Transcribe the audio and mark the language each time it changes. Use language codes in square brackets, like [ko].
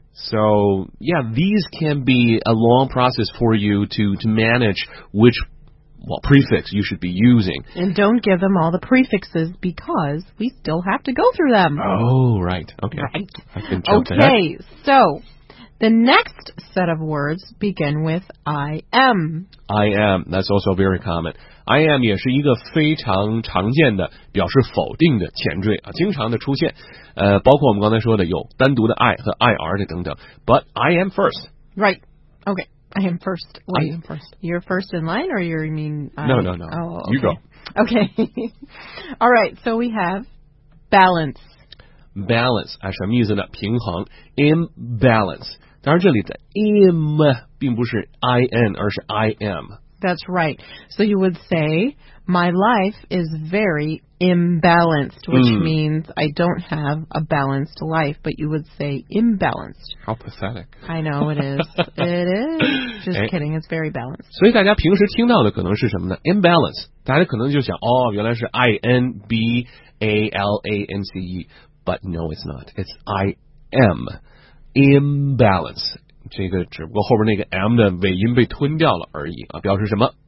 [en] So, yeah, these can be a long process for you to manage which prefix you should be using. And don't give them all the prefixes because we still have to go through them. Oh, right. Okay. Right. I've been jumped ahead. Okay, so the next set of words begin with IM. IM, that's also very common. [zh] IM 也是一个非常常见的表示否定的前缀啊，经常的出现。包括我们刚才说的有单独的 I 和 IR 的等等。 [en] But I am first. Right. Okay. I am first. Wait, I am first. You're first in line, or you mean... No. Oh, okay. You go. Okay. All right, so we have balance. [zh] Balance, 什么意思呢？平衡。Imbalance. 当然这里的 im 并不是 in, 而是 im. [en] That's right. So you would say, my life is very imbalanced, which means I don't have a balanced life, but you would say imbalanced. How pathetic. I know it is. It is. Just kidding. It's very balanced. [zh] 所以大家平时听到的可能是什么呢? Imbalance. 大家可能就想,哦,原来是 I-N-B-A-L-A-N-C-E. [en] But no, it's not. It's I-M. Imbalance. [zh] 这个只不过后边那个 M 的尾音被吞掉了而已、啊、表示什么?